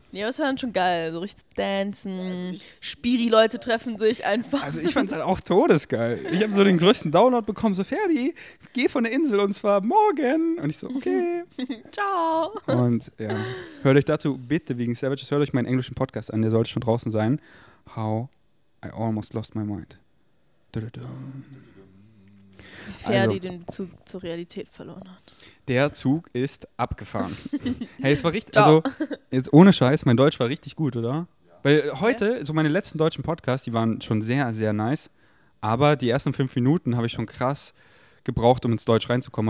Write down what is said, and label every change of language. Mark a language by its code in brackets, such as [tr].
[de] Ja, das war dann schon geil, so richtig dancen, ja, also Spiri-Leute treffen sich einfach. Also ich fand's halt auch todesgeil. Ich habe so den größten Download bekommen, so Ferdi, geh von der Insel und zwar morgen. Und ich so, okay. Ciao. Und ja, hört euch dazu bitte wegen Savages, hört euch meinen englischen Podcast an, der sollte schon draußen sein. [en] How I almost lost my mind. [de] Ferdi also, den Bezug zur Realität verloren hat. Der Zug ist abgefahren. Hey, es war richtig, also jetzt ohne Scheiß, mein Deutsch war richtig gut, oder? Ja. Weil heute, so meine letzten deutschen Podcasts, die waren schon sehr, sehr nice, aber die ersten 5 Minuten habe ich schon krass gebraucht, um ins Deutsch reinzukommen.